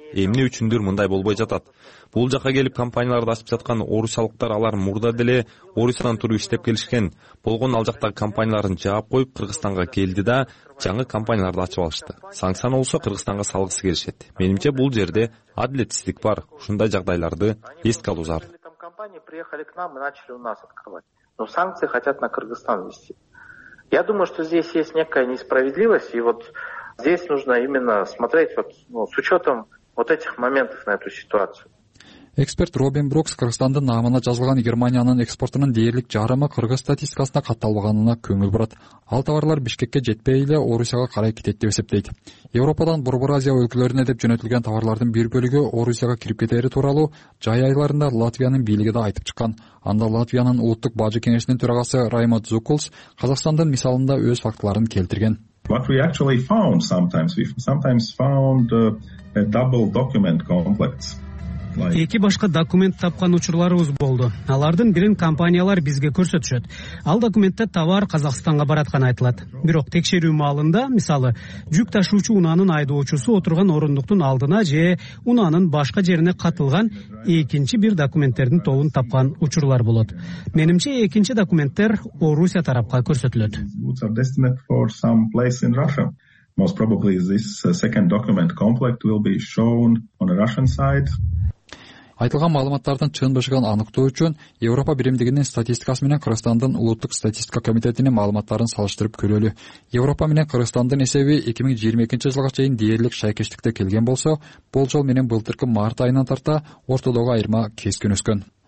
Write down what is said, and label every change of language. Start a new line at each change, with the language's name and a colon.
Kyrgyz: Эмне үчүндүр мындай болбой жатат? Бул жака келип компанияларды ачып жаткан орусиялыктар алар мурда деле Орусиядан туруп иштеп келишкен. Болгон ал жактагы компанияларын жаап коюп Кыргызстанга келди да жаңы компанияларды ачып алышты. Санкцияны болсо Кыргызстанга салгысы келишет. Менимче бул жерде адилетсиздик бар. Ушундай жагдайларды эске алуу зарыл.
Russian: Компания приехали к нам и начали у нас открывать. Но санкции хотят на Кыргызстан ввести. Я думаю, что здесь есть некая несправедливость, и вот здесь нужно именно смотреть вот, ну, с учетом вот этих моментов на эту ситуацию.
Kyrgyz: Эксперт Робин Брукс Кыргызстандын наамына жазылган Германиянын экспортунун дээрлик жарымы кыргыз статистикасына катталбаганына көңүл бурат. Ал товарлар Бишкекке жетпей эле Орусияга карай кетет деп эсептейт. Европадан Борбор Азия өлкөлөрүнө деп жөнөтүлгөн товарлардын бир бөлүгү Орусияга кирип кетери тууралуу жай айларында Латвиянын бийлиги да айтып чыккан. Анда Латвиянын улуттук бажы кеңешинин төрагасы Раймонд Зуккулс Казакстандын мисалында өз фактыларын келтирген.
English: What we actually found sometimes, double document complex.
Kyrgyz: Эки башка документ тапкан учурларыбыз болду. Алардын бирин компаниялар бизге көрсөтүшөт. Ал документте товар Казакстанга бараткан айтылат. Бирок текшерүү маалында, мисалы, жүк ташуучу унанын айдоочусу отурган орундуктун алдына же унанын башка жерине катылган экинчи бир документтердин тобун тапкан учурлар болот. Менимче экинчи документтер Орусия тарапка көрсөтүлөт.
English: Most probably this second document complex will be shown on the Russian side.
Kyrgyz: Айтылган маалыматтардын чындыгын аныктоо үчүн Европа биримдигинин статистикасы менен Кыргызстандын улуттук статистика комитетинин маалыматтарын салыштырып көрөлү. Европа менен Кыргызстандын эсеби 2022 жылга чейин дээрлик шайкештикте келген болсо, болжол менен былтыркы март айынан тарта ортодогу айырма кескин өскөн.